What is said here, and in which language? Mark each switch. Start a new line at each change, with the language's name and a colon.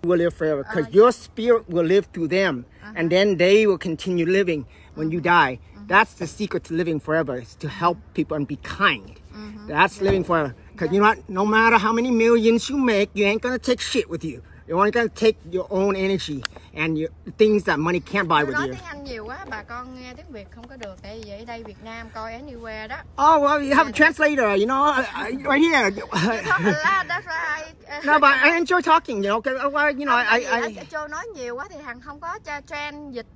English: Will live forever because your spirit will live through them, and then they will continue living when you die. That's the secret to living forever is to help people and be kind. That's living forever because you know what? No matter how many millions you make, you ain't gonna take shit with you. You're only gonna take your own energy and your things that money can't buy with you.
Vietnamese: Nói tiếng Anh nhiều quá, bà con nghe tiếng Việt không có được. Tại vì ở đây Việt Nam coi
English: anywhere
Vietnamese: đó.
English: Oh well, you have a translator, you know, right here. You talk a lot, that's why. No, but I enjoy talking, you know. Cause, well, you know, I.
Vietnamese: Châu nói nhiều quá thì thằng không có cho tran dịch.